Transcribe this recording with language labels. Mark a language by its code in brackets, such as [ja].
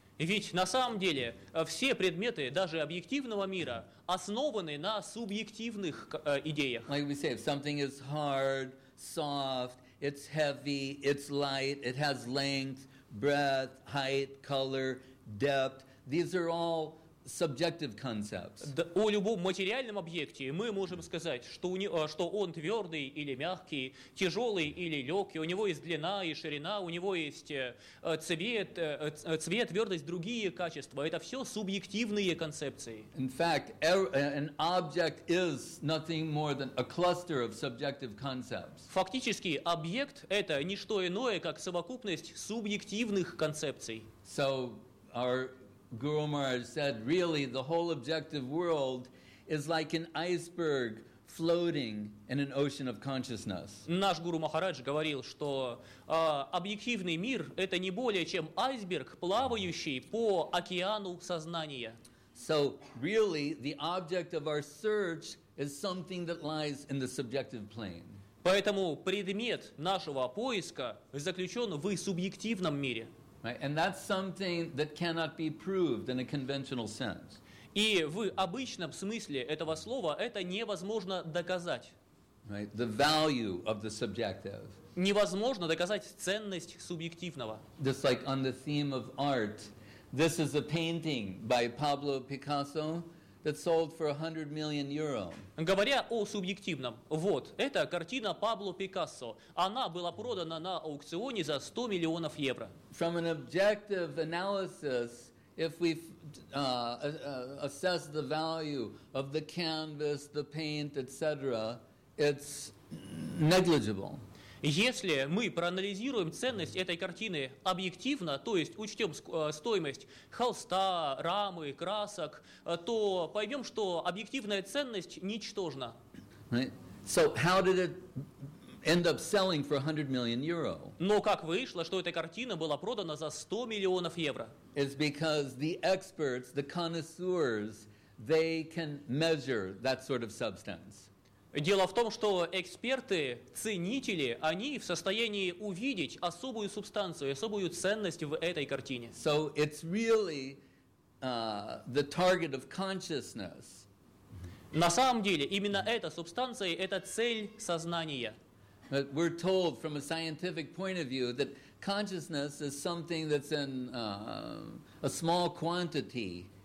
[ru] Ведь на самом деле все предметы, даже объективного мира, основаны на субъективных идеях. [en] Like we say, if something is hard, soft, it's heavy, it's light, it has length, breadth, height, color, depth, these are all subjective concepts. [ru] О любом материальном объекте мы можем сказать, что он твердый или мягкий, тяжелый или легкий, у него есть длина и ширина, у него есть цвет, твердость, другие качества. Это все субъективные концепции. [en] In fact, an object is nothing more than a cluster of subjective concepts. [ru] Фактически, объект — это не что иное, как совокупность субъективных концепций. [en] So, our Guru Maharaj said, really, the whole objective world is like an iceberg floating in an ocean of consciousness. [ru] Наш Гуру Махарадж говорил, что объективный мир — это не более чем айсберг, плавающий по океану сознания. [en] So, really, the object of our search is something that lies in the subjective plane. [ru] Поэтому предмет нашего поиска заключен в субъективном мире. [en] Right? And that's something that cannot be proved in a conventional sense. [ru] И в обычном смысле этого слова это невозможно доказать. [en] Right? The value of the subjective. [ru] Невозможно доказать ценность субъективного. [en] Just like on the theme of art, this is a painting by Pablo Picasso that sold for 100 million euro. [ru] Говоря о субъективном, вот, это картина Пабло Пикассо. Она была продана на аукционе за 100 миллионов евро. [en] From an objective analysis, if we assess the value of the canvas, the paint, etc., it's negligible. [ru] Если мы проанализируем ценность этой картины объективно, то есть учтем стоимость холста, рамы, красок, то поймем, что объективная ценность ничтожна. [en] Right. So how did it end up selling for 100 million euro? [ru] Но как вышло, что эта картина была продана за 100 миллионов евро? [en] It's because the experts, the connoisseurs, they can measure that sort of substance. [ru] Дело в том, что эксперты, ценители, они в состоянии увидеть особую субстанцию, особую ценность в этой картине. [en] So it's really the target of consciousness. [ru] На самом деле, именно эта субстанция — это цель сознания. [en] But we're told from a scientific point of view that consciousness is something that's in a small quantity